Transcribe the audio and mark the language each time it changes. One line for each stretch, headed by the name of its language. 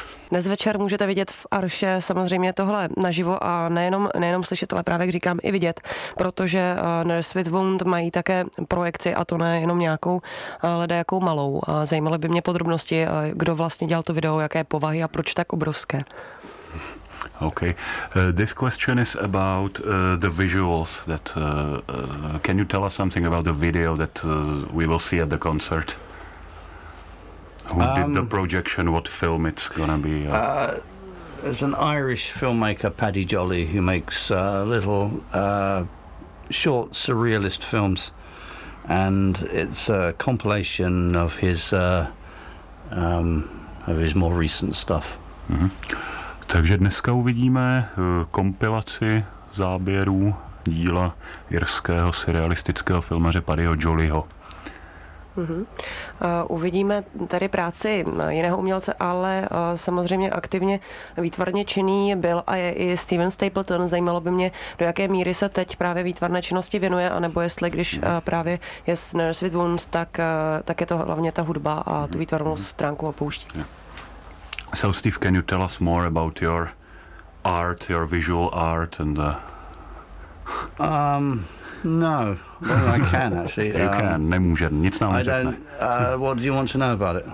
Czech: Dnes večer můžete vidět v Arše samozřejmě tohle naživo a nejenom slyšet, ale právě jak říkám i vidět, protože Nerswizund mají také projekci a to nejenom nějakou, ale nějakou malou. Zajímaly by mě podrobnosti, kdo vlastně dělal to video, jaké povahy a proč tak obrovské.
English: Okay. This question is about the visuals that can you tell us something about the video that we will see at the concert? Who did the projection, what film it's gonna be? There's an Irish filmmaker, Paddy Jolly, who makes little short surrealist films, and it's a compilation of his more recent stuff. Mm-hmm.
Czech: Takže dneska uvidíme kompilaci záběrů díla irského surrealistického filmaře Paddyho Jollyho. Uvidíme tady práci jiného umělce, ale samozřejmě aktivně výtvarně činný byl a je i Steven Stapleton. Zajímalo by mě, do jaké míry se teď právě výtvarné činnosti věnuje, anebo jestli když právě je s Nerswizund, tak je to hlavně ta hudba a tu výtvarnou stránku opouští.
English: Yeah. So Steve, can you tell us more about your art, your visual art and No, well, I can actually. You can.
Czech: Nemůže. Nic nám neřekne.
English: What do you want to know about it?